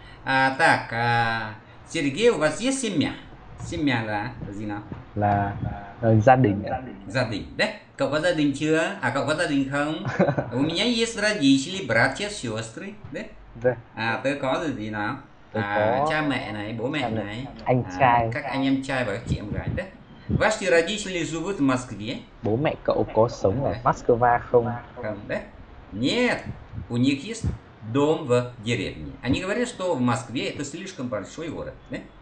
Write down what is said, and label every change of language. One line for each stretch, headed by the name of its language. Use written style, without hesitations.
Russian: А, так, а, Сергей, у вас есть семья? Семья, да, Зина?
Vietnamese: Là gia đình. Gia đình, да? Cậu có gia đình chưa? À, cậu có gia đình không?
Russian: У меня есть родители, братья, сестры, да? Да.
Vietnamese: А, ты có gì nào? Tôi À, cha có mẹ này, bố mẹ này. Anh À, trai. Các anh em trai và các chị em gái, да?
Russian: Ваши родители живут в Москве?
Vietnamese: Bố mẹ cậu có sống ở Moscow không? Không, да?
Russian: Нет, у них есть дом в деревне. Они говорят, что в Москве это слишком большой город, да?